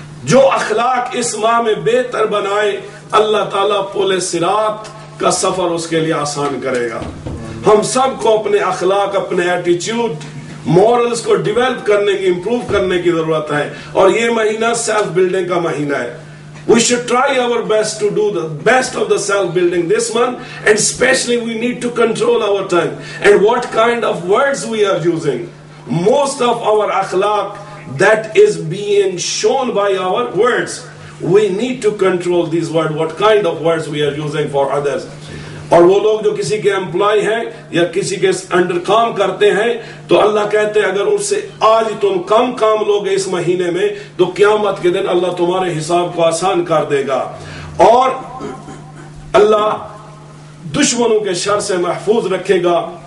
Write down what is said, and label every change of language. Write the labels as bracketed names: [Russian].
[Hindi] जो अखलाक इस माह में बेहतर बनाए अल्लाह ताला पुल सिरात का सफर उसके लिए आसान करेगा। हम सबको अपने अखलाक, अपने एटीट्यूड, मॉरल्स को डिवेलप करने की, इंप्रूव करने की जरूरत है और ये महीना सेल्फ बिल्डिंग का महीना है। [English] We should try our best to do the best of the self-building this month, and especially we need to control our tongue and what kind of words we are using. Most of our akhlaq that is being shown by our words, we need to control these words, what kind of words we are using for others. [Hindi] और वो लोग जो किसी के employ हैं या किसी के अंडर काम करते हैं तो अल्लाह कहते हैं अगर उससे आज तुम कम काम लोगे इस महीने में तो क्यामत के दिन अल्लाह तुम्हारे हिसाब को आसान कर देगा और अल्लाह दुश्मनों के शर से महफूज रखेगा।